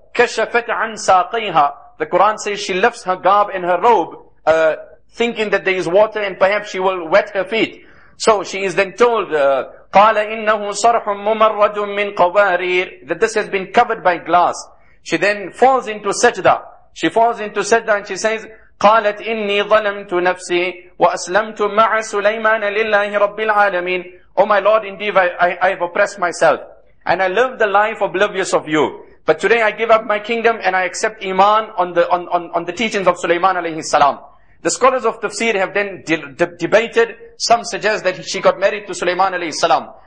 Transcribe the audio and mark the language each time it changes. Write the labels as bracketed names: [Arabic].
[Arabic] كَشَفَتْ عَنْ سَاقِيهَا. [English] The Quran says she lifts her garb and her robe, thinking that there is water and perhaps she will wet her feet. So she is then told, [Arabic] قال إنه صرح ممرد من قوارير, [English] that this has been covered by glass. She then falls into sajda. She falls into sajda and she says, [Arabic] قالت إني ظلمت نفسي وأسلمت مع سليمان لله رب العالمين. [English] Oh my Lord, indeed I have oppressed myself and I live the life oblivious of you. But today I give up my kingdom and I accept iman on the teachings of Sulaiman alayhi salam. The scholars of tafsir have then debated. Some suggest that she got married to Sulaiman alayhi salam.